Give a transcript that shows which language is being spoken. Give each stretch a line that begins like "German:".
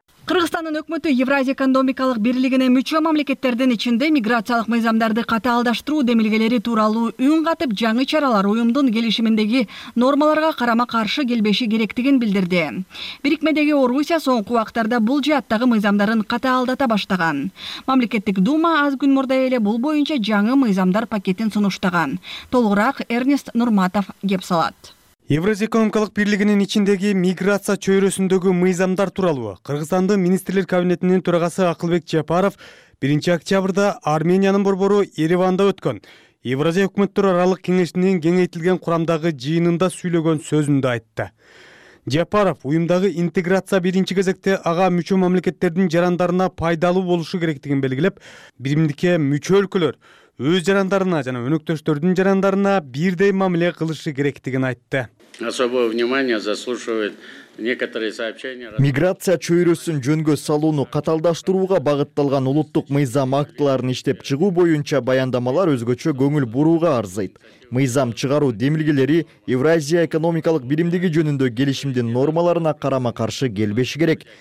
Kyrgyz: Кыргызстандын өкмөтү Евразия экономикалык бирлигине мүчө мамлекеттердин ичинде миграциялык мыйзамдарды катаалдаштыруу демилгелери тууралуу үн катып, жаңы чаралар уюмдун келишиминдеги нормаларга карама каршы келбеши керектигин билдирди. Бирикмедеги Орусия соңку убактарда бул жааттагы мыйзамдарын катаалдата баштаган. Мамлекеттик дума аз күн мурда эле бул боюнча жаңы мыйзамдар пакетин сунуштаган. Толугураак Эрнест Нурматов кеп салат. Евразия экономикалык бирлигинин ичиндеги миграция чөйрөсүндөгү мыйзамдар тууралуу Кыргызстандын министрлер кабинетинин төрагасы Акылбек Жапаров 1 октябрда Армениянын борбору Ереванда өткөн Евразия өкмөттөр аралык кеңешинин кеңейтилген курамдагы жыйынында сүйлөгөн сөзүндө айтты. Жапаров уюмдагы интеграция биринчи кезекте ага мүчө мамлекеттердин жарандарына пайдалуу болушу керектигин белгилеп, биримдикке мүчө өлкөлөр өз жарандарына жана өнөктөштөрдүн жарандарына бирдей мамиле кылышы керектигин айтты.
Russian: Особое внимание заслуживает некоторые сообщения.
Kyrgyz: Миграция чөйрөсүн жөнгө салууну катаалдаштырууга багытталган улуттук мыйзам актыларын иштеп чыгуу боюнча баяндамалар өзгөчө көңүл бурууга арзайт. Мыйзам чыгаруу демилгелери Евразия экономикалык биримдиги жөнүндө келишимдин нормаларына карама каршы келбеши керек.